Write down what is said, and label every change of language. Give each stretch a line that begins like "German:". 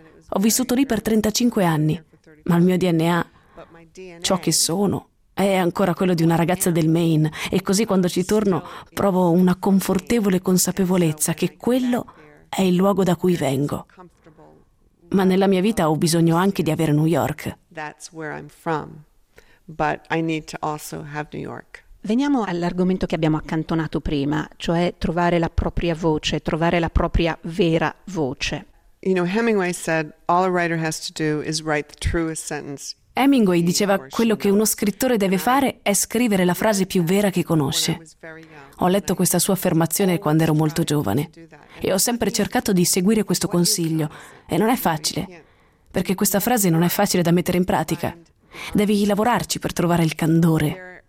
Italian: Ho vissuto lì per 35 anni, ma il mio DNA, ciò che sono, è ancora quello di una ragazza del Maine e così quando ci torno provo una confortevole consapevolezza che quello è il luogo da cui vengo. Ma nella mia vita ho bisogno anche di avere New York.
English: That's where I'm from, but I need to also have New York.
Italian: Veniamo all'argomento che abbiamo accantonato prima, cioè trovare la propria voce, trovare la propria vera voce.
English: You know, Hemingway said all a writer has to do is write the truest sentence.
Italian: Hemingway diceva quello che uno scrittore deve fare è scrivere la frase più vera che conosce. Ho letto questa sua affermazione quando ero molto giovane e ho sempre cercato di seguire questo consiglio e non è facile. Perché questa frase non è facile da mettere in pratica. Devi lavorarci per trovare il candore.